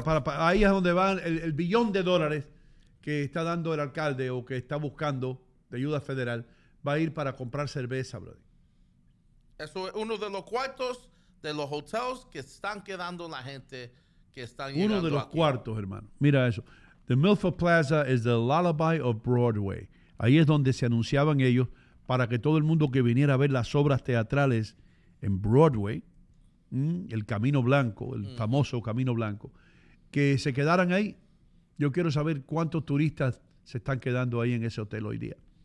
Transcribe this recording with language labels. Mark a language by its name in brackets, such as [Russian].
[Spanish] Para, ahí es donde van el billón de dólares que está dando el alcalde o que está buscando de ayuda federal. Va a ir para comprar cerveza, brother. Eso es uno de los cuartos de los hoteles que están quedando la gente que están uno llegando uno de los aquí. Cuartos, hermano. Mira eso. [English] The Milford Plaza is the lullaby of Broadway. [Spanish] Ahí es donde se anunciaban ellos para que todo el mundo que viniera a ver las obras teatrales en Broadway, el Camino Blanco, el famoso Camino Blanco, que se quedaran ahí. Yo quiero saber cuántos turistas se están quedando ahí en ese hotel hoy día.